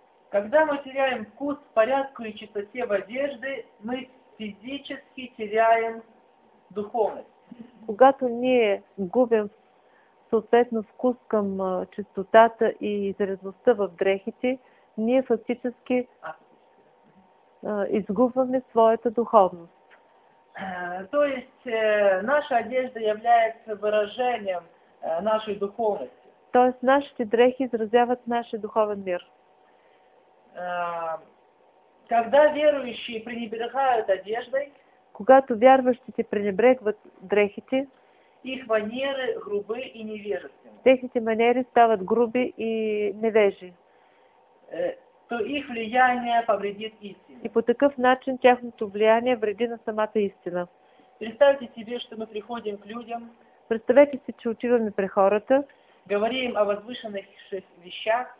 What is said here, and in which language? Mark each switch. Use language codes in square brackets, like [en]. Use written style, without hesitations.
[ru] Когда мы теряем вкус, порядку и чистоте в одежде, мы физически теряем духовность. [bg] Когато ние губим съответно вкус към чистотата и изрядността в дрехите, ние фактически изгубваме своята духовност. [ru] То есть наша одежда является выражением нашей духовности. [bg] То есть нашите дрехи изразяват нашия духовен мир. [ru] Когда верующие пренебрегают одеждой, [bg] когато вярващите пренебрегват дрехите, [ru] их манеры грубы и невежественны. [bg] Техните манери стават груби и невежи. [ru] То их влияние повредит истине. [bg] И по такъв начин тяхното влияние вреди на самата истина. [ru] Представьте себе, что мы приходим к людям. [bg] Представете си, че отиваме при хората. [ru] Говорим о возвышенных вещах.